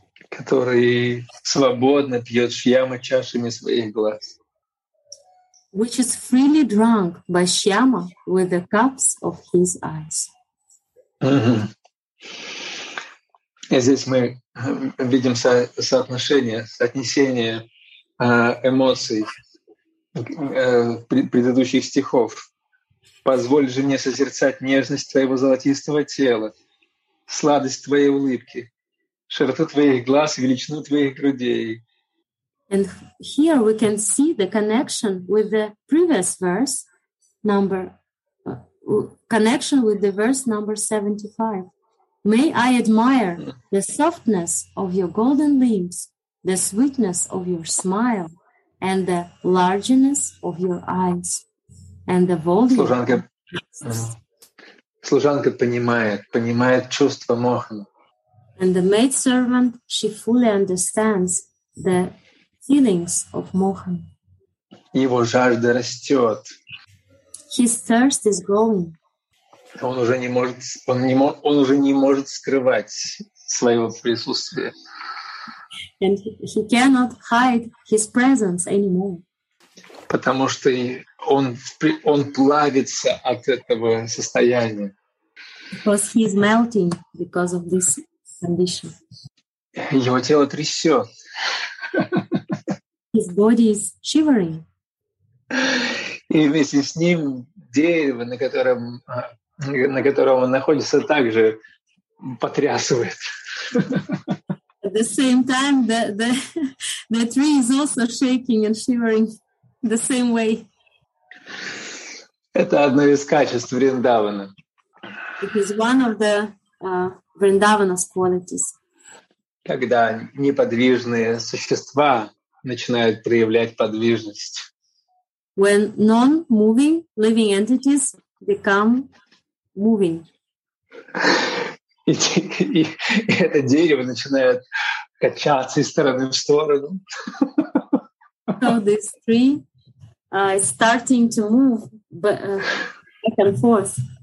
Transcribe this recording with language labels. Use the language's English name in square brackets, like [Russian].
[Russian] Который свободно пьет Шьяма чашами своих глаз. [English] Which is freely drunk by Shyama with the cups of his eyes. [Russian] И здесь мы видим соотношение, соотнесение эмоций. Предыдущих стихов. Позволь же мне созерцать нежность твоего золотистого тела, сладость твоей улыбки, широту твоих глаз, величину твоих грудей. [English] And here we can see the connection with the previous verse number, connection with the verse number 75. May I admire the softness of your golden limbs, the sweetness of your smile, and the largeness of your eyes, and the volume. [Russian] Служанка понимает чувства Мохана. [English] And the maid servant, she fully understands the feelings of Mohan. [Russian] Его жажда растет. [English] His thirst is growing. [Russian] Он уже не может скрывать своего присутствия. [English] And he cannot hide his presence anymore. [Russian] Потому что он плавится от этого состояния. [English] Because he is melting because of this condition. [Russian] Его тело трясёт. [English] His body is shivering. [Russian] И вместе с ним дерево, на котором он находится, также потрясывает. [English] At the same time, the tree is also shaking and shivering the same way. [Russian] Это одно из качеств Вриндавана. [English] It is one of the Vrindavana's qualities. [Russian] Когда неподвижные существа начинают проявлять подвижность. [English] When non-moving living entities become moving. [Russian] И это дерево начинает качаться из стороны в сторону. [English] So this tree is starting to move back and forth.